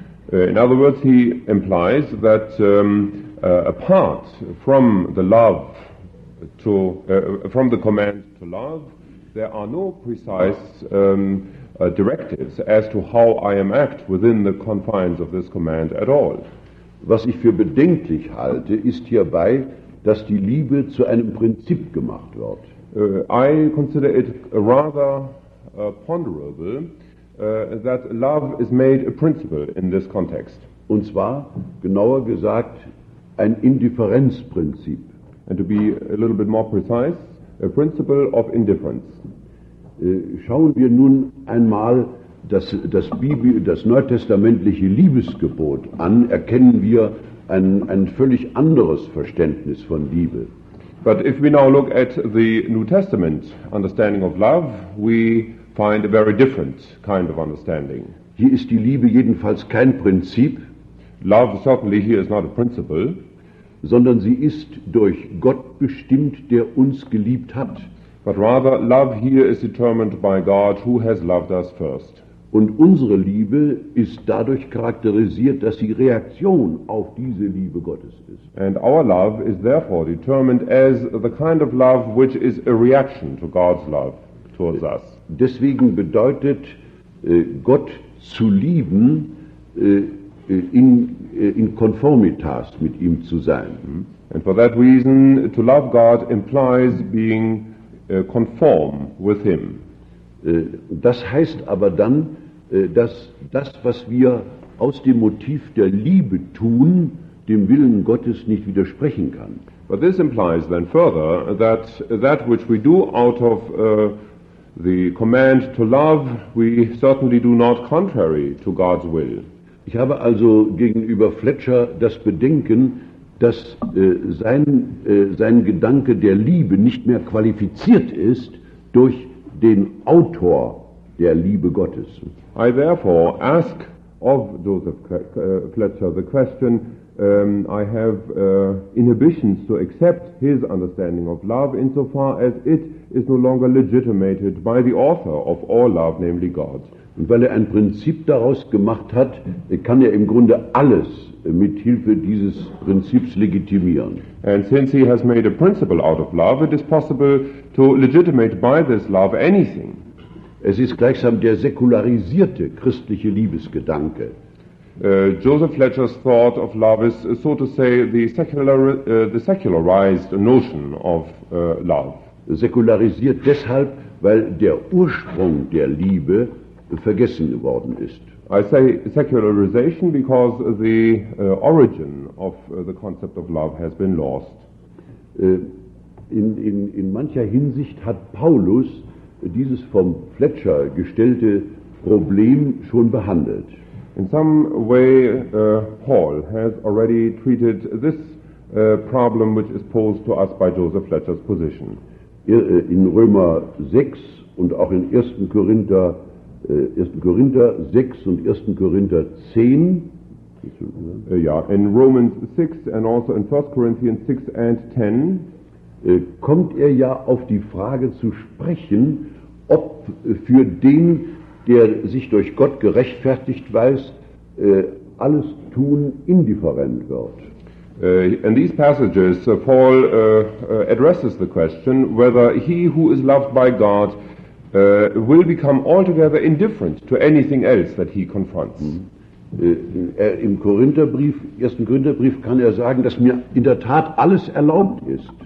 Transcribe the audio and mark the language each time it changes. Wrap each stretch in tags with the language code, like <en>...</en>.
<en>In other words, he implies that apart from the love to from the command to love, there are no precise directives as to how I am act within the confines of this command at all.</en> <de>Was ich für bedenklich halte, ist hierbei, dass die Liebe zu einem Prinzip gemacht wird.</de> <en>I consider it rather ponderable that love is made a principle in this context.</en> <de>Und zwar, genauer gesagt, ein Indifferenzprinzip.</de> <en>And to be a little bit more precise, a principle of indifference.</en> <de>Schauen wir nun einmal das Bibel, das neutestamentliche Liebesgebot an, erkennen wir ein völlig anderes Verständnis von Liebe.</de> <en>But if we now look at the New Testament understanding of love, we find a very different kind of understanding.</en> <de>Hier ist die Liebe jedenfalls kein Prinzip.</de> <en>Love certainly here is not a principle.</en> <de>Sondern sie ist durch Gott bestimmt, der uns geliebt hat.</de> <en>But rather, love here is determined by God, who has loved us first.</en> <de>Und unsere Liebe ist dadurch charakterisiert, dass sie Reaktion auf diese Liebe Gottes ist.</de> <en>And our love is therefore determined as the kind of love which is a reaction to God's love towards us.</en> <de>Deswegen bedeutet Gott zu lieben, in Konformitas mit ihm zu sein.</de> <en>And for that reason, to love God implies being conform with him.</en> <de>Das heißt aber dann, dass das, was wir aus dem Motiv der Liebe tun, dem Willen Gottes nicht widersprechen kann.</de> <en>But this implies then further that that which we do out of the command to love, we certainly do not contrary to God's will.</en> <de>Ich habe also gegenüber Fletcher das Bedenken, dass sein Gedanke der Liebe nicht mehr qualifiziert ist durch den Autor der Liebe Gottes.</de> <en>I therefore ask of Joseph Fletcher the question, I have inhibitions to accept his understanding of love insofar as it is no longer legitimated by the author of all love, namely God.</en> <de>Und weil er ein Prinzip daraus gemacht hat, kann er im Grunde alles mit Hilfe dieses Prinzips legitimieren.</de> <en>And since he has made a principle out of love, it is possible to legitimate by this love anything.</en> <de>Es ist gleichsam der säkularisierte christliche Liebesgedanke.</de> <en>Joseph Fletcher's thought of love is, so to say, the secularized notion of love.</en> <de>Säkularisiert deshalb, weil der Ursprung der Liebe vergessen worden ist.</de> <en>I say secularization because the origin of the concept of love has been lost.</en> <de>In mancher Hinsicht hat Paulus dieses vom Fletcher gestellte Problem schon behandelt.</de> <en>In some way Paul has already treated this problem which is posed to us by Joseph Fletcher's position.</en> <de>In Römer 6 und auch in 1. Korinther 6 und 1. Korinther 10.</de> <en>In Romans 6 and also in 1. Corinthians 6 and 10</en> <de>kommt er ja auf die Frage zu sprechen, ob für den, der sich durch Gott gerechtfertigt weiß, alles Tun indifferent wird.</de> <en>In these passages Paul addresses the question whether he who is loved by God will become altogether indifferent to anything else that he confronts.</en> <de>Im Korintherbrief, 1. Korintherbrief, kann er sagen, dass mir in der Tat alles erlaubt ist.</de>